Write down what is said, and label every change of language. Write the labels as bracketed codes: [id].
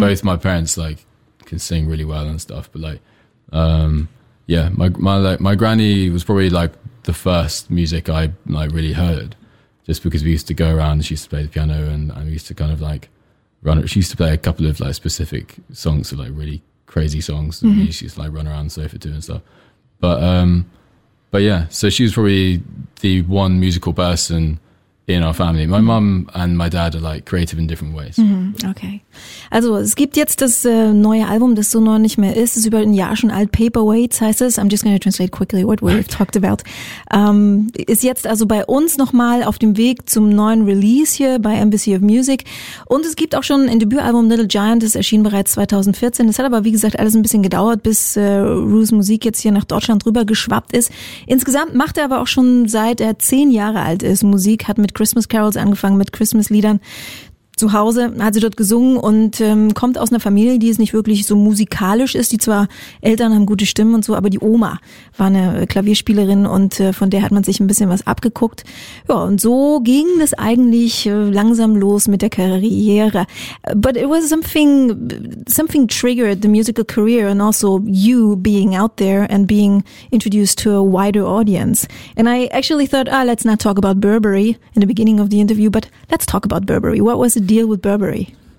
[en] both my parents like can sing really well and stuff, but like yeah, my granny was probably like the first music I like really heard, just because we used to go around and she used to play the piano, and we used to kind of like run. She used to play a couple of like specific songs, of like really crazy songs mm-hmm. that we used to like run around the sofa to and stuff. But yeah, so she was probably the one musical person in our family. My mom and my dad are like creative in different ways. Okay. [de] Also es gibt jetzt das neue Album, das so neu nicht mehr ist. Es ist über ein Jahr schon alt. Paperweights heißt es. [en] I'm just going to translate quickly what we've okay. talked about. [de] Ist jetzt also bei uns nochmal auf dem Weg zum neuen Release hier bei Embassy of Music. Und es gibt auch schon ein Debütalbum Little Giant. Das erschien bereits 2014. Das hat aber wie gesagt alles ein bisschen gedauert, bis Ruse Musik jetzt hier nach Deutschland rüber geschwappt ist. Insgesamt macht er aber auch schon seit er 10 Jahre alt ist Musik, hat mit Christmas Carols angefangen, mit Christmas-Liedern zu Hause, hat sie dort gesungen und kommt aus einer Familie, die es nicht wirklich so musikalisch ist, die zwar Eltern haben gute Stimmen und so, aber die Oma war eine Klavierspielerin und von der hat man sich ein bisschen was abgeguckt. Ja, und so ging das eigentlich langsam los mit der Karriere. [en] But it was something triggered the musical career and also you being out there and being introduced to a wider audience. And I actually thought, ah, let's not talk about Burberry in the beginning of the interview, but let's talk about Burberry. What was the deal with Burberry?